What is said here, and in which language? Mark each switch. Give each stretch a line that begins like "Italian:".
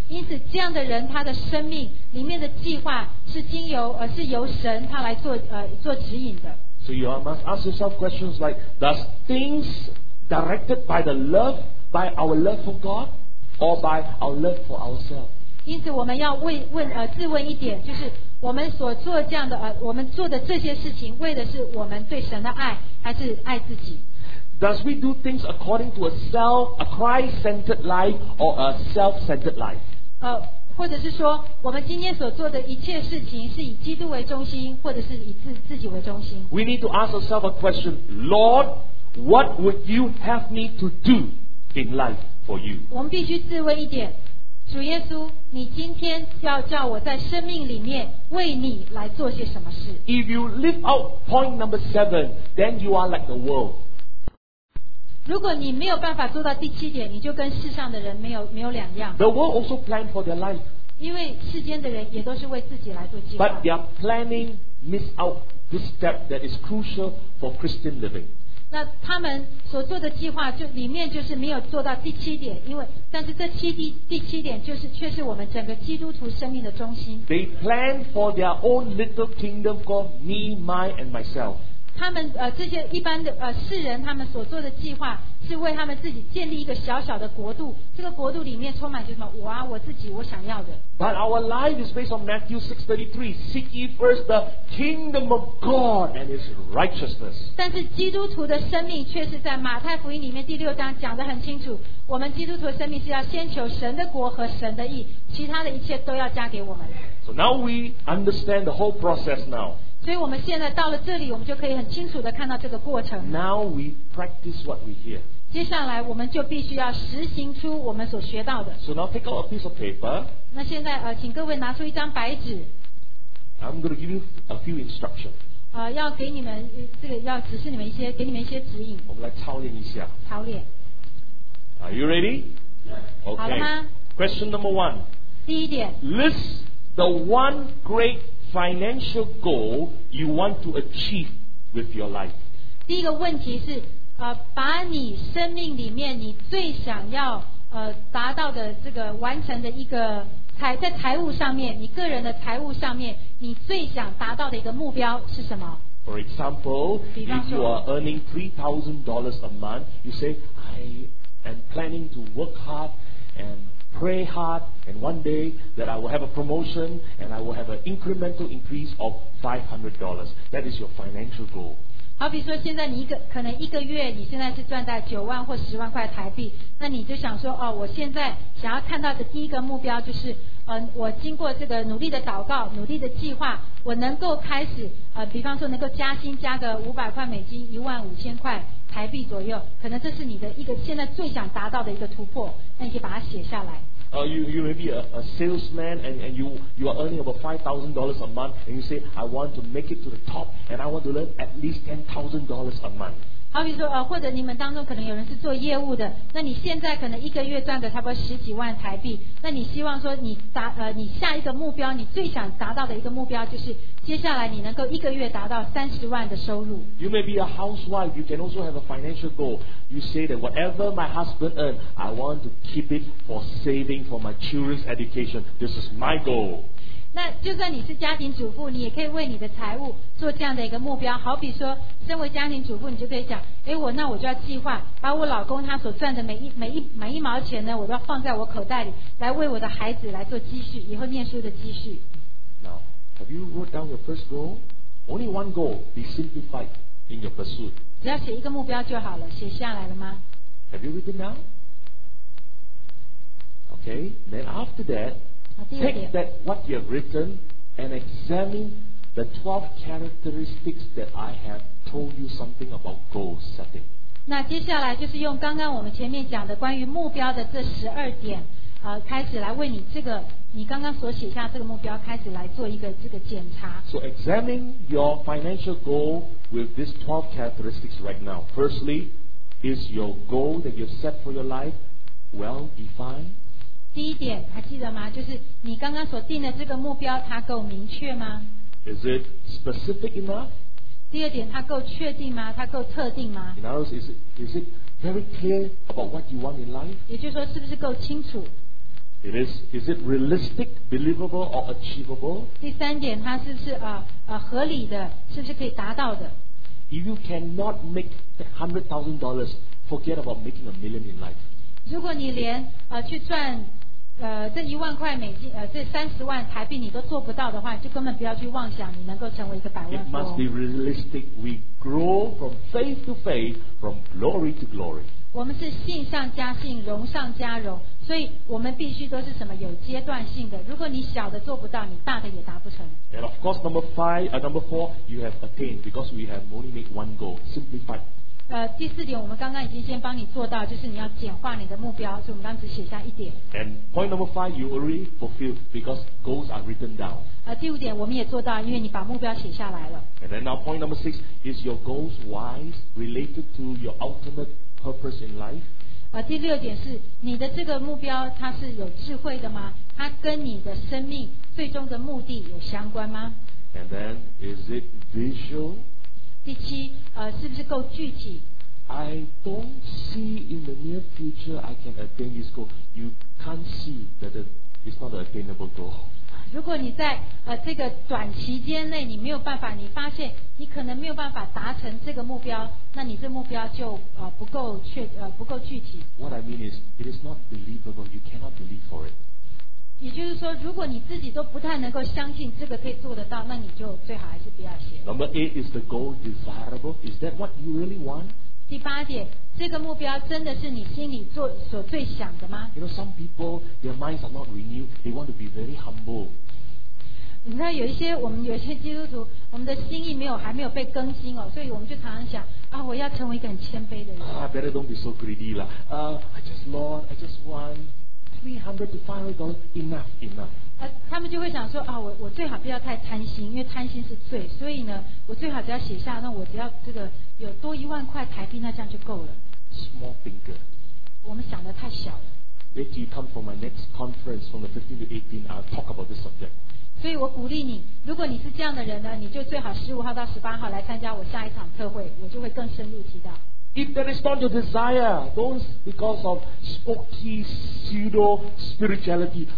Chinese: 因此，这样的人他的生命里面的计划是经由是由神他来做指引的。
English: So you must ask yourself questions like, does things directed by the love by our love for God? Or by our love for ourselves.
Chinese: 因此我们要自问一点，就是我们所做这样的我们做的这些事情，为的是我们对神的爱，还是爱自己？
English: Does we do things according to a Christ-centered life or a self-centered life?
Chinese: 或者是说，我们今天所做的一切事情是以基督为中心，或者是以自己为中心？
English: We need to ask ourselves a question, Lord, what would you have me to do in life? For you.
Chinese: 我们必须自问一点，主耶稣，你今天要叫我在生命里面为你来做些什么事？
English: If you live out point number seven, then you are like the world.
Chinese: 如果你没有办法做到第七点，你就跟世上的人没有两样。
English: The world also plan for their life.
Chinese: 因为世间的人也都是为自己来做计划。
English: But they are planning miss out this step that is crucial for Christian living.
Chinese: 那他们所做的计划就里面就是没有做到第七点，因为但是这第七点就是却是我们整个基督徒生命的中心。
English: They plan for their own little kingdom called me, my, and myself.
Chinese: 他们这些一般的世人他们所做的计划是为他们自己建立一个小小的国度，这个国度里面充满就是什么，我啊我自己我想要的。
English: But our life is based on Matthew 6:33, seek ye first the kingdom of God and his righteousness.
Chinese: 但是基督徒的生命却是在马太福音里面第六章讲得很清楚，我们基督徒的生命是要先求神的国和神的义，其他的一切都要加给我们。
English: So now we understand the whole process now.
Chinese: 所以我们现在到了这里，我们就可以很清楚地看到这个过程。
English: Now we practice what we hear.
Chinese: 接下来我们就必须要实行出我们所学到的。
English: So now take out a piece of paper.
Chinese: 那现在请各位拿出一张白纸。
English: I'm going to give you a few instructions.
Chinese: 要给你们这个要指示你们一些，给你们一些指引。我们来操练一下。操练。
English: Are you ready?
Chinese: Okay. 好了吗
English: ？Question number one.
Chinese: 第一点。
English: List the one great. Financial goal you want to achieve with your life.
Chinese: 第一个问题是，把你生命里面你最想要达到的这个完成的一个在财务上面，你个人的财务上面，你最想达到的一个目标是什么
English: ？For example, if you are earning $3,000 a month, you say, I am planning to work hard and. Pray hard, and one day that I will have a promotion, and I will have an incremental increase of $500. That is your financial goal.
Chinese: 好比说，现在你一个可能一个月，你现在是赚在9万或10万块台币，那你就想说，哦，我现在想要看到的第一个目标就是，我经过这个努力的祷告、努力的计划，我能够开始，比方说能够加薪加个500块美金，15,000块。台币左右，可能这是你的一个现在最想达到的一个突破，那你可以把它写下来。
English: You may be a salesman and you are earning about $5,000 a month and you say I want to make it to the top and I want to earn at least $10,000 a month.
Chinese: 好比说或者你们当中可能有人是做业务的，那你现在可能一个月赚个差不多10几万台币，那你希望说你下一个目标，你最想达到的一个目标就是。接下来你能够一个月达到30万的收入。
English: You may be a housewife, you can also have a financial goal. You say that whatever my husband earns, I want to keep it for saving for my children's education. This is my goal.
Chinese: 那就算你是家庭主妇，你也可以为你的财务做这样的一个目标。好比说，身为家庭主妇，你就可以讲，哎，我就要计划把我老公他所赚的每一毛钱呢，我都要放在我口袋里，来为我的孩子来做积蓄，以后念书的积蓄。
English: Have you wrote down your first goal? Only one goal. Be simplified in your pursuit.
Chinese: 只要写一个目标就好了，写下来了吗？
English: Have you written down? Okay. Then after that, take that what you have written and examine the 12 characteristics that I have told you something about goal setting.
Chinese: 那接下来就是用刚刚我们前面讲的关于目标的这12点，开始来为你这个。你刚刚所写下这个目标开始来做一个这个检查。
English: So examine your financial goal with these 12 characteristics right now. Firstly, is your goal that you've set for your life well defined?
Chinese: 第一点还记得吗？就是你刚刚所定的这个目标它够明确吗？
English: Is it specific enough?
Chinese: 第二点它够确定吗？它够特定吗？
English: In other words, is it very clear about what you want in life?
Chinese: 也就是说是不是够清楚。
English: Is it realistic, believable, or achievable?
Chinese: 第三点，它是不是合理的，是不是可以达到的？
English: If you cannot make $100,000, forget about making $1,000,000 in life.
Chinese: 如果你连去赚这10,000块美金这30万台币你都做不到的话，就根本不要去妄想你能够成为一个百万富翁。
English: It must be realistic. We grow from faith to faith, from glory to glory.
Chinese: 我们是信上加信，荣上加荣，所以我们必须都是什么有阶段性的。如果你小的做不到，你大的也达不成。
English: And of course, number four, you have attained because we have only made one goal, simplified.
Chinese: 第四点，我们刚刚已经先帮你做到，就是你要简化你的目标，所以我们刚刚只写下一点。
English: And point number five, you already fulfilled because goals are written down.
Chinese: 第五点，我们也做到，因为你把目标写下来了。
English: And then now, point number six is your goals wise related to your ultimate. Purpose in life.
Chinese: 第六点是你的这个目标，它是有智慧的吗？它跟你的生命最终的目的有相关吗？
English: And then, is it visual?
Chinese: 第七，是不是够具体？
English: I don't see in the near future I can attain this goal. You can't see that it's not an attainable goal.
Chinese: 如果你在这个短期间内你没有办法，你发现你可能没有办法达成这个目标，那你这目标就不够具体。
English: What I mean is, it is not believable. You cannot believe for it.
Chinese: 也就是说，如果你自己都不太能够相信这个可以做得到，那你就最好还是不要写。
English: Number eight is the goal desirable. Is that what you really want?
Chinese: 第八点，这个目标真的是你心里所最想的吗？
English: You know, some people, their minds are not renewed. They want to be very humble.
Chinese: 你知道有一些基督徒，我们的心意还没有被更新哦，所以我们就常常想啊，我要成为一个很谦卑的人。
English: I better don't be so greedy lah. I just want $300 to $500. Enough.
Chinese: 他们就会想说啊，我最好不要太贪心，因为贪心是罪。所以呢，我最好只要写下，那我只要这个。有多一万块台币，那这样就够了。
English: Small thinker，
Chinese: 我们想的太小了。
English: If you come for my next conference from the 15th to 18th, I'll talk about this subject.
Chinese: 所以我鼓励你，如果你是这样的人呢，你就最好15号到18号来参加我下一场特会，我就会更深入提到。
English: If that is not your desire, don't because of spooky pseudo spirituality.